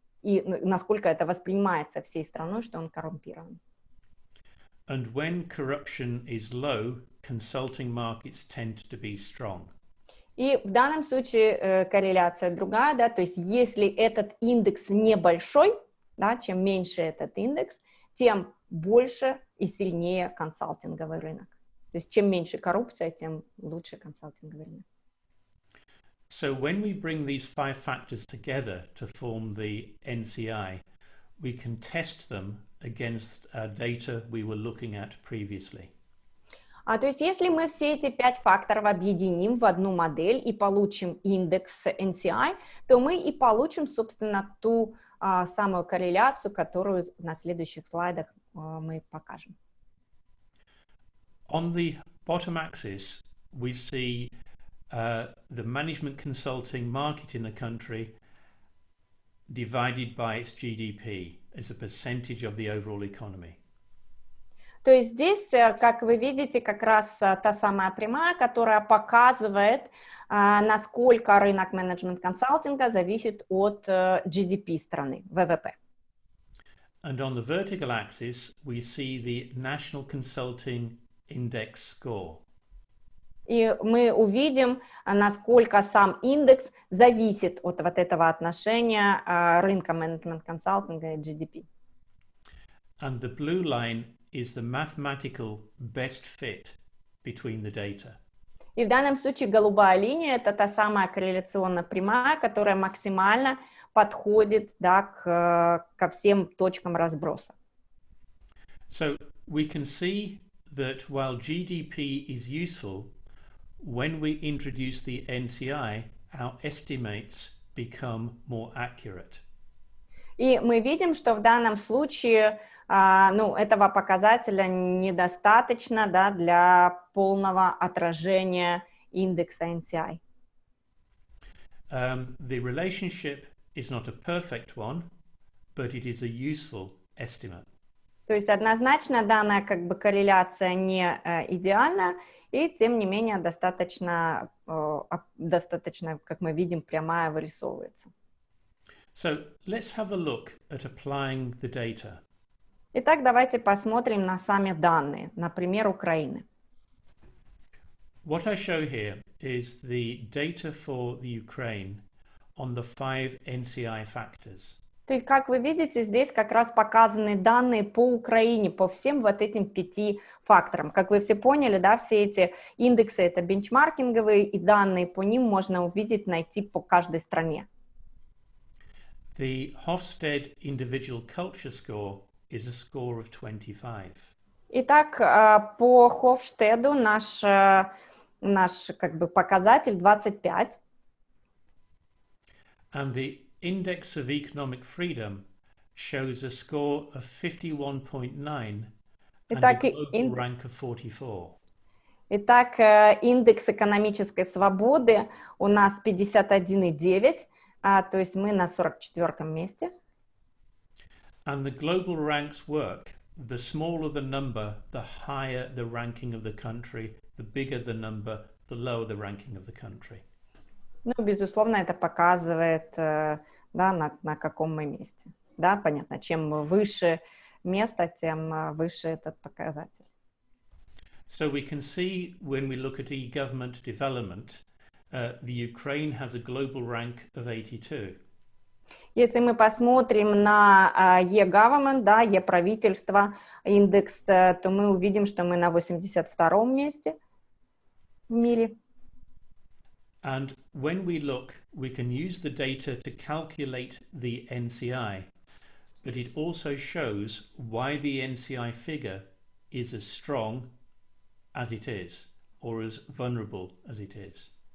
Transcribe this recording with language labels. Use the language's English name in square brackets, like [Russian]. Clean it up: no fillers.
[Russian] И насколько это воспринимается всей страной, что он коррумпирован. [English] And when corruption is low, consulting markets tend to be strong. [Russian] И в данном случае корреляция другая, да, то есть если этот индекс небольшой, да, чем меньше этот индекс, тем больше и сильнее консалтинговый рынок. То есть чем меньше коррупция, тем лучше консалтинговый рынок. [English] So when we bring these five factors together to form the NCI, we can test them against our data we were looking at previously. [Russian] А то есть, если мы все эти пять факторов объединим в одну модель и получим индекс NCI, то мы и получим, собственно, ту самую корреляцию, которую на следующих слайдах мы покажем. [English] On the bottom axis, we see the management consulting market in the country divided by its GDP as a percentage of the overall economy. [Russian] То есть здесь, как вы видите, как раз та самая прямая, которая показывает, насколько рынок менеджмент консалтинга зависит от GDP страны, ВВП. [English] And on the vertical axis we see the national consulting index score. [Russian] И мы увидим, насколько сам индекс зависит от вот этого отношения рынка менеджмент консалтинга и GDP. [English] And the blue line is the mathematical best fit between the data. [Russian] И в данном случае голубая линия – это та самая корреляционная прямая, которая максимально подходит, да, ко всем точкам разброса. [English] So we can see that while GDP is useful, when we introduce the NCI, our estimates become more accurate. [Russian] И мы видим, что в данном случае ну, этого показателя недостаточно, да, для полного отражения индекса NCI. [English] The relationship is not a perfect one, but it is a useful estimate. [Russian] То есть однозначно дана как бы корреляция не идеальна, и тем не менее достаточно, достаточно, как мы видим, прямая вырисовывается. [English] So let's have a look at applying the data. [Russian] Итак, давайте посмотрим на сами данные, например, Украины. [English] What I show here is the data for the Ukraine on the five NCI factors. [Russian] То есть, как вы видите, здесь как раз показаны данные по Украине, по всем вот этим пяти факторам. Как вы все поняли, да, все эти индексы — это бенчмаркинговые, и данные по ним можно увидеть, найти по каждой стране. [English] The Hofstede Individual Culture Score is a score of 25. [Russian] Итак, по Хофштеду наш, наш как бы показатель 25. [English] And the Index of Economic Freedom shows a score of 51.9 and a global rank of 44. [Russian] Итак, индекс экономической свободы у нас 51.9, то есть мы на 44-м месте. [English] And the global ranks work. The smaller the number, the higher the ranking of the country, the bigger the number, the lower the ranking of the country. [Russian] Ну, безусловно, это показывает... Да, на каком мы месте. Да, понятно, чем выше место, тем выше этот показатель. [English] So we can see when we look at e-government development, the Ukraine has a global rank of 82. [Russian] Если мы посмотрим на e-government, да, e-правительство индекс, то мы увидим, что мы на 82-м месте в мире. [English] And when we look, we can use the data to calculate the NCI, but it also shows why the NCI figure is as strong as it is, or as vulnerable as it is.